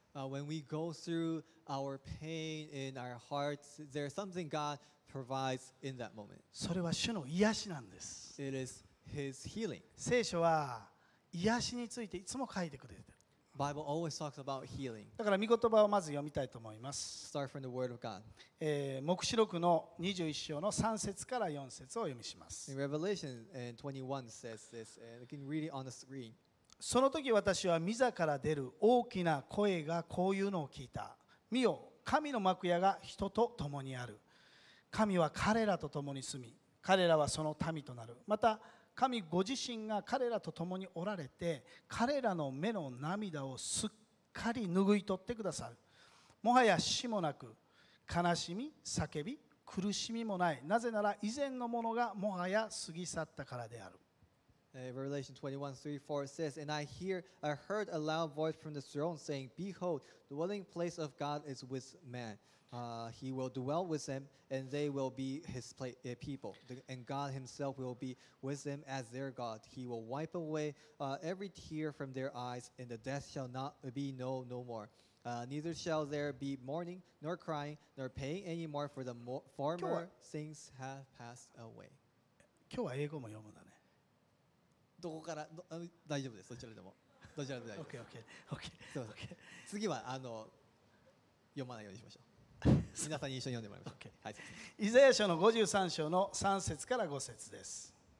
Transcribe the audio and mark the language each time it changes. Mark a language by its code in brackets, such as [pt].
[en] When we go through our pain in our hearts, there's something God provides in that moment. [ja] それは主の癒しなんです。 [en] It is His healing. [ja] 聖書は癒しについていつも書いてくれてる。 [en] Bible always talks about healing. [ja] だから御言葉をまず読みたいと思います。 [en] Start from the Word of God. [ja] 黙示録の21章の3節から4節を読みします。 [en] In Revelation 21 says this, and you can read it on the screen. [ja] その時私は御座から出る大きな声がこういうのを聞いた。見よ、神の幕屋が人と共にある。神は彼らと共に住み、彼らはその民となる。また神ご自身が彼らと共におられて、彼らの目の涙をすっかり拭い取ってくださる。もはや死もなく、悲しみ、叫び、苦しみもない。なぜなら以前のものがもはや過ぎ去ったからである。 [en] Revelation 21:3-4 says, And I heard a loud voice from the throne saying, Behold, the dwelling place of God is with man. He will dwell with them, and they will be his people. And God himself will be with them as their God. He will wipe away every tear from their eyes, and the death shall not be known no more. Neither shall there be mourning, nor crying, nor pain anymore, for the former things have passed away. [ja] 今日は英語も読むんだね。どこから大丈夫です、どちらでも大丈夫です。 [en] OK, OK, OK. [ja] 次は読まないようにしましょう。皆さんに一緒に読んでもらいましょう。 Okay. はい、イザヤ書の53章の3節から5節です。